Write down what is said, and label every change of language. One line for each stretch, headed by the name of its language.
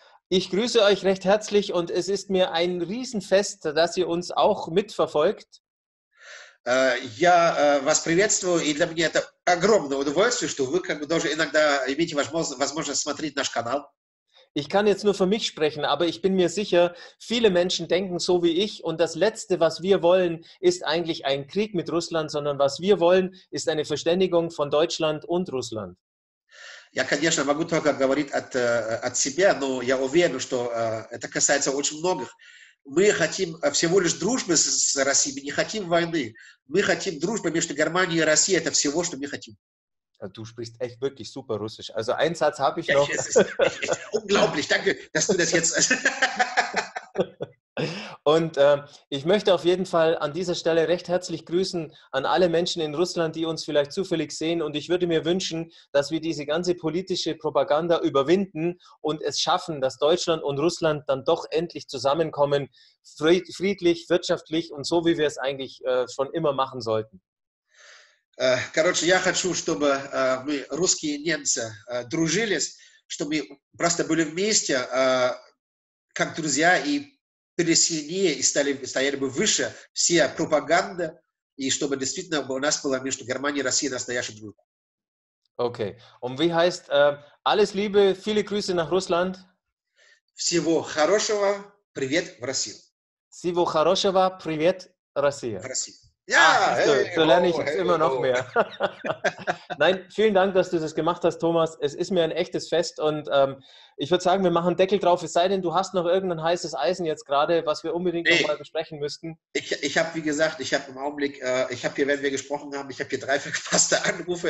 German: Ich grüße euch recht herzlich und es ist mir ein Riesenfest, dass ihr uns auch mitverfolgt.
Russian: Я вас приветствую, и для меня это огромное удовольствие, что вы как бы тоже иногда имеете возможность смотреть наш канал.
German: Ich kann jetzt nur für mich sprechen, aber ich bin mir sicher, viele Menschen denken so wie ich und das Letzte, was wir wollen, ist eigentlich ein Krieg mit Russland, sondern was wir wollen, ist eine Verständigung von Deutschland und Russland.
Russian: Я, конечно, могу только говорить от себя, но я уверен, что это касается очень многих. Мы хотим всего лишь дружбы с Россией, мы не хотим войны. Мы хотим дружбы между Германией и Россией, это всего, что мы хотим.
German: Du sprichst echt wirklich super Russisch. Also einen Satz habe ich noch. Es ist unglaublich, danke, dass du das jetzt... Und ich möchte auf jeden Fall an dieser Stelle recht herzlich grüßen an alle Menschen in Russland, die uns vielleicht zufällig sehen. Und ich würde mir wünschen, dass wir diese ganze politische Propaganda überwinden und es schaffen, dass Deutschland und Russland dann doch endlich zusammenkommen, friedlich, wirtschaftlich und so, wie wir es eigentlich schon immer machen sollten.
Russian: Короче, я хочу, чтобы мы русские немцы дружились, чтобы мы просто были вместе как друзья и пересильнее и стояли бы выше вся пропаганда, и чтобы действительно у нас было между Германией и Россией настоящая дружба.
German: Okay. Und wie heißt alles Liebe, viele Grüße nach Russland?
Russian: Всего хорошего, привет в Россию. Всего хорошего, привет в Россию. В Россию.
German: Ja, so lerne ich jetzt immer noch mehr. Nein, vielen Dank, dass du das gemacht hast, Thomas. Es ist mir ein echtes Fest und ich würde sagen, wir machen Deckel drauf. Es sei denn, du hast noch irgendein heißes Eisen jetzt gerade, was wir unbedingt nochmal besprechen müssten. Ich habe, wie gesagt, ich habe im Augenblick, ich habe hier, wenn wir gesprochen haben, ich habe hier 3 verfasste Anrufe.